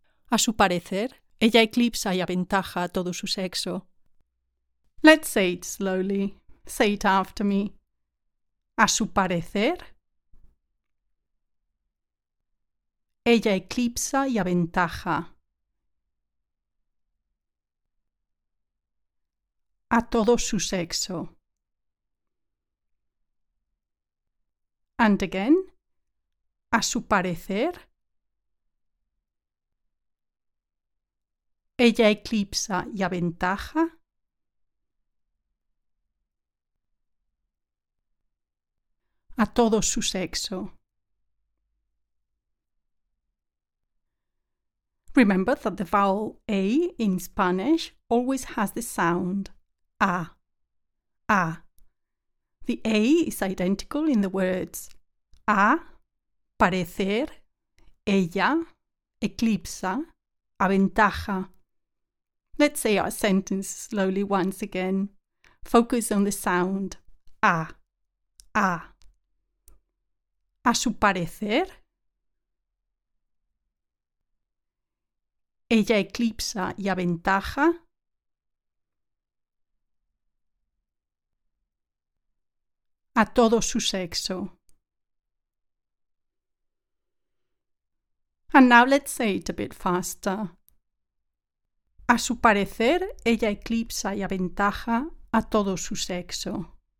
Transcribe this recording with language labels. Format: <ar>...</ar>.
<es>A su parecer, ella eclipsa y aventaja a todo su sexo.</es> <en>Let's say it slowly. Say it after me.</en> <es>A su parecer, ella eclipsa y aventaja a todo su sexo.</es> <en>And again,</en> <es>a su parecer, ella eclipsa y aventaja a todo su sexo.</es> <en>Remember that the vowel A in Spanish always has the sound A, A. The A is identical in the words A, parecer, ella, eclipsa, aventaja. Let's say our sentence slowly once again. Focus on the sound A, A.</en> <es>A su parecer, ella eclipsa y aventaja a todo su sexo.</es> <en>And now let's say it a bit faster.</en> <es>A su parecer, ella eclipsa y aventaja a todo su sexo.</es>